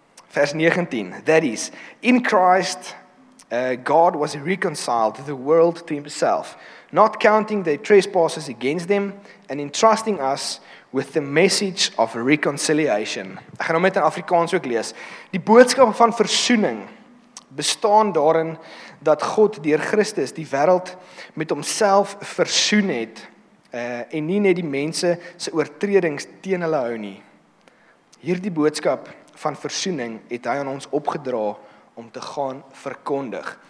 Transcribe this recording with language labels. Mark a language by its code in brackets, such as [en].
[en] Vers 19, that is, in Christ, God was reconciled to the world to himself, not counting their trespasses against them, and entrusting us with the message of reconciliation. [af] Ek gaan hom net in Afrikaans ook lees. Die boodskap van versoening bestaan daarin dat God deur Christus die wêreld met homself versoen het en nie net die mense se oortredings teen hulle hou nie. Hierdie boodskap van versoening het hy aan ons opgedra om te gaan verkondig.